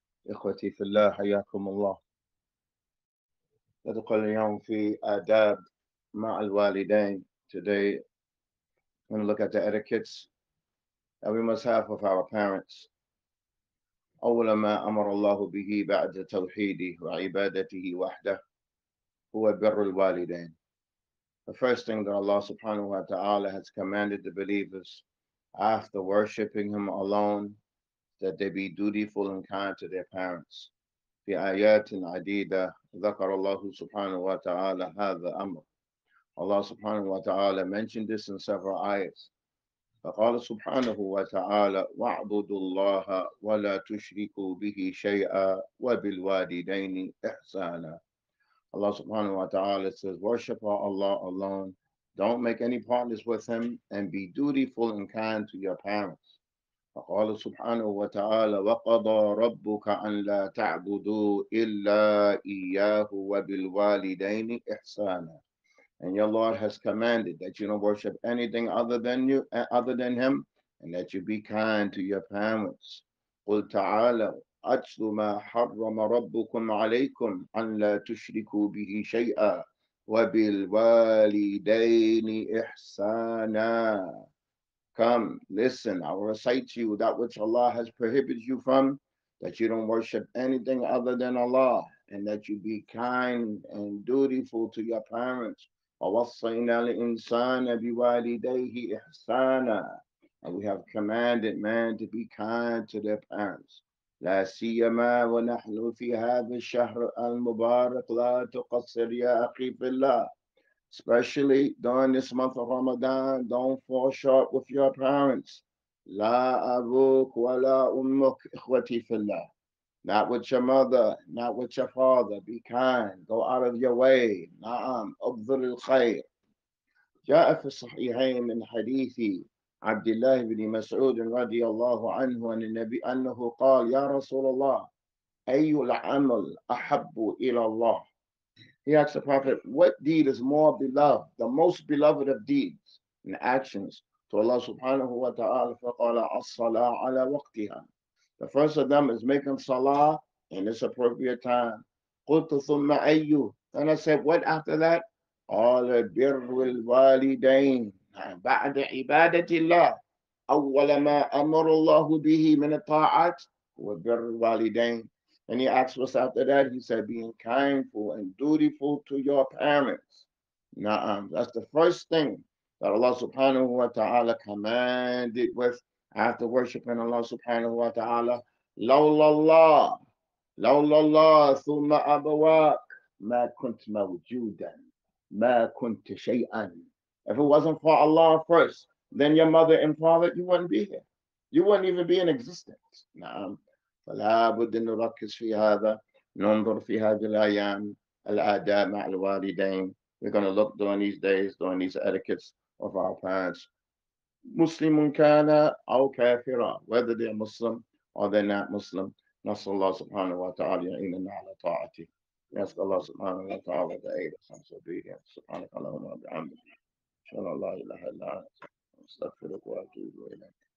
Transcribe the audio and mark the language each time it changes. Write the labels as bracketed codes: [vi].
[ar] إخوتي في الله حياكم الله. ندخل اليوم في آداب مع الوالدين. [en] Today we're going to look at the etiquettes that we must have with our parents. [ar] أول ما أمر الله به بعد توحيده وعبادته وحده هو بر الوالدين. [en] The first thing that Allah [ar] subhanahu wa ta'ala [en] has commanded the believers after worshipping him alone, that they be dutiful and kind to their parents. [ar] في آيات عديدة ذكر الله سبحانه وتعالى هذا الأمر. [en] Allah [ar] سبحانه وتعالى [en] mentioned this in several ayahs. [ar] فقال سبحانه وتعالى وَاعْبُدُوا اللَّهَ وَلَا تُشْرِكُوا بِهِ شَيْئًا وَبِالْوَالِدَيْنِ إِحْسَانًا. [en] Allah [ar] سبحانه وتعالى [en] says, worship Allah alone. Don't make any partners with him and be dutiful and kind to your parents. [ar] فقال سبحانه وتعالى وقضى ربك أن لا تعبدوا إلا إياه وبالوالدين إحسانا. [en] And your Lord has commanded that you don't worship anything other than him and that you be kind to your parents. [ar] قل تعالى أتل ما حرم ربكم عليكم أن لا تشركوا به شيئا وَبِالْوَالِدَيْنِ إِحْسَانًا. [en] Come, listen, I will recite to you that which Allah has prohibited you from, that you don't worship anything other than Allah, and that you be kind and dutiful to your parents. [ar] وَوَصَّيْنَا الْإِنسَانَ بِوَالِدَيْهِ إِحْسَانًا. [en] And we have commanded man to be kind to their parents. [ar] لا سيما ونحن في هذا الشهر المبارك لا تقصر يا أخي في الله. [en] Especially during this month of Ramadan, don't fall short with your parents. [ar] لا أبوك ولا أمك إخوتي في الله. [en] Not with your mother, not with your father. Be kind. Go out of your way. [ar] نعم أبذل الخير. جاء في الصحيحين من حديث عبد الله بن مسعود رضي الله عنه عن النبي أنه قال يا رسول الله أي العمل أحب إلى الله. [en] He asked the Prophet, what deed is more beloved, the most beloved of deeds and actions to Allah [ar] subhanahu wa ta'ala? فقال الصلاة على وقتها. [en] The first of them is making salah in its appropriate time. [ar] قلت ثم أي. [en] Then I said, what after that? [ar] قال بر الوالدين. بعد عبادة الله أول ما أمر الله به من الطاعات هو بر الوالدين. [en] And he asked us after that, he said, being kindful and dutiful to your parents. [ar] نعم, [en] that's the first thing that Allah [ar] subhanahu wa ta'ala [en] commanded with after worshiping Allah subhanahu wa ta'ala. [ar] لولا الله لولا الله ثم أبواك ما كنت موجودا ما كنت شيئا. [en] If it wasn't for Allah first, then your mother and father, you wouldn't be here. You wouldn't even be in existence. [ar] نعم. فلا بد نركز في هذا. ننظر في هذه الأيام. الآداب مع الوالدين. [en] We're going to look during these days, during these etiquettes of our parents. [ar] مسلم كان أو كافرا. [en] Whether they're Muslim or they're not Muslim. [ar] نسأل الله سبحانه وتعالى يعيننا على طاعته. نسأل الله سبحانه وتعالى [en] to aid us and to be here. [ar] سبحانك اللهم وبحمدك. إن شاء الله لا إله إلا أنت أستغفرك وأتوب إليك.